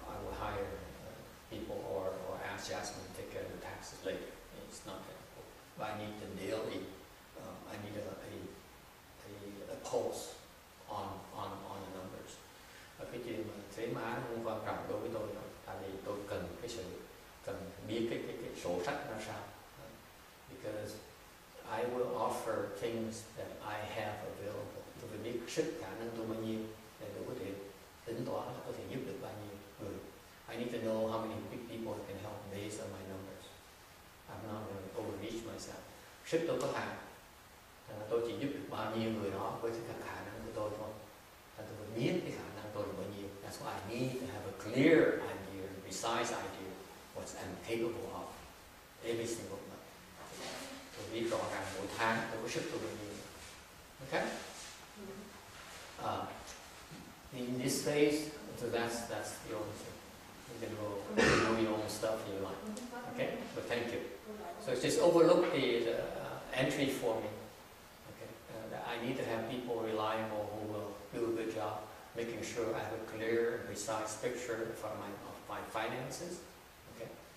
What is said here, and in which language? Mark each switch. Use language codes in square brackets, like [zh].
[en] I will hire people or ask Jasmine to take care of the taxes later. It's not that hard. But I need the daily, I need a pulse on the numbers. [vi] Vì chị mà thấy má nó cũng quan trọng đối với tôi đó, tại vì tôi cần cái sự cần biết cái sổ sách ra sao. [en] Because I will offer things that I have available. [vi] Tôi phải biết sức khả năng tôi bao nhiêu để tôi có thể tính toán là có thể giúp được bao nhiêu người. [en] I need to know how many people I can help based on my numbers. I'm not going to overreach myself. [vi] Sức tôi có hạn. Tôi chỉ giúp được bao nhiêu người đó với cái khả năng của tôi thôi. Tôi phải biết cái khả năng tôi là bao nhiêu. [en] That's why I need to have a clear idea, precise idea, what I'm capable of every single month. [vi] Tôi biết rõ ràng mỗi tháng tôi có sức tôi bao nhiêu. [en] Okay? In this phase, so that's the only thing. You can go know your own stuff if you like. Okay? But thank you. So just overlook the entry for me. I need to have people reliable who will do a good job making sure I have a clear and precise picture of my finances. Okay.